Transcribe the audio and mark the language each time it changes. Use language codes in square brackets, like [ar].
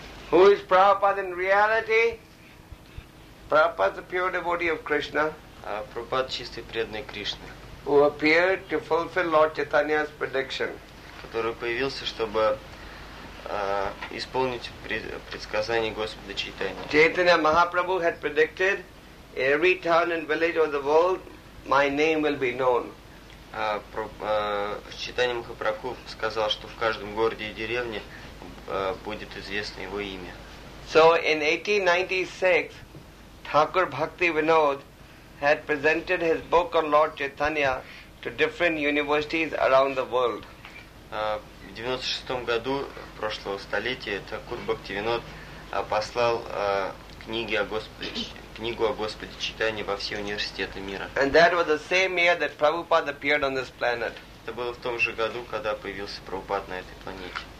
[en] Who is Prabhupada in reality? Prabhupada is the pure devotee of Krishna. [ru] Prabhupada чистый преданный Кришны. [en] Who appeared to fulfill Lord Chaitanya's prediction. [ru] Который появился, чтобы исполнить предсказание Господа Чайтаньи. [en] Chaitanya Mahaprabhu had predicted every town and village of the world, my name will be known. [ru] Читание Махапрабху сказал, что в каждом городе и деревне будет известно его имя. [en] So in 1896, Thakur Bhakti Vinod had presented his book on Lord Chaitanya to different universities around the world. [ru] В 96 году прошлого столетия Thakur Bhakti Vinod послал книги о Господе. Книгу о Господе Чайтанье во все университеты мира. [en] And that was the same year that Prabhupada appeared on this planet. [ru] Это было в том же году, когда появился Прабхупад на этой планете.